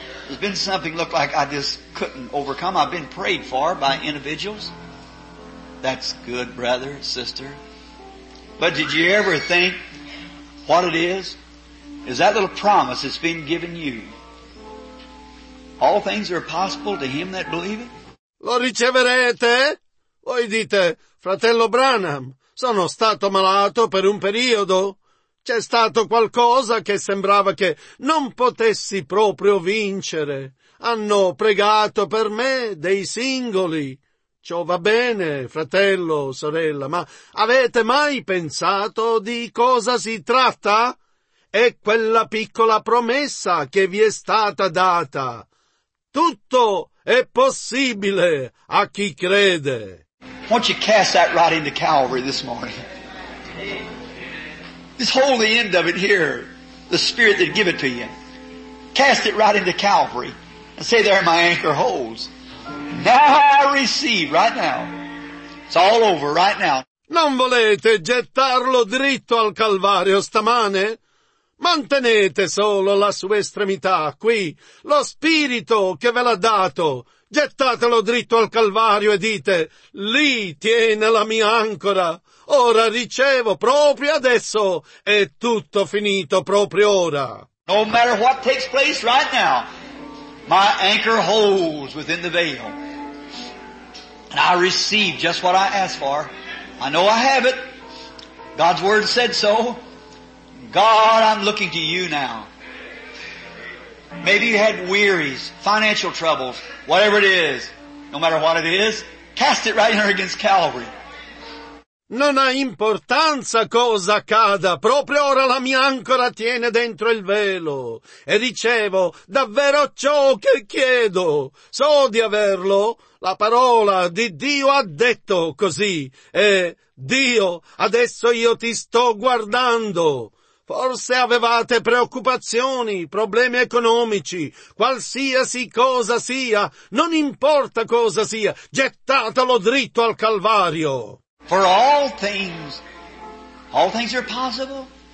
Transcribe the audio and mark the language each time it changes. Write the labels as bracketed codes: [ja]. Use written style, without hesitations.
[en] There's been something looked like I just couldn't overcome. I've been prayed for by individuals. That's good, brother, sister. But did you ever think what it is? Is that little promise that's been given you? All things are possible to him that believe it? [it] Lo riceverete? Voi dite, fratello Branham, sono stato malato per un periodo. C'è stato qualcosa che sembrava che non potessi proprio vincere. Hanno pregato per me dei singoli. Ciò va bene, fratello, sorella, ma avete mai pensato di cosa si tratta? È quella piccola promessa che vi è stata data. Tutto è possibile a chi crede. [en] Why don't you cast that right into Calvary this morning? Just hold the end of it here, the Spirit that give it to you. Cast it right into Calvary and say, there my anchor holds. Now I receive, right now. It's all over, right now. [it] Non volete gettarlo dritto al Calvario stamane? Mantenete solo la sua estremità qui, lo Spirito che ve l'ha dato. Gettatelo dritto al Calvario e dite, lì tiene la mia ancora. Ora ricevo proprio adesso. È tutto finito proprio ora. [en] No matter what takes place right now, my anchor holds within the veil. And I receive just what I asked for. I know I have it. God's word said so. God, I'm looking to you now. Maybe you had wearies, financial troubles, whatever it is. No matter what it is, cast it right here against Calvary. [it] Non ha importanza cosa accada, proprio ora la mia ancora tiene dentro il velo e ricevo davvero ciò che chiedo. So di averlo, la parola di Dio ha detto così e Dio, adesso io ti sto guardando. Forse avevate preoccupazioni, problemi economici, qualsiasi cosa sia, non importa cosa sia, gettatelo dritto al Calvario. [en] For all things are possible.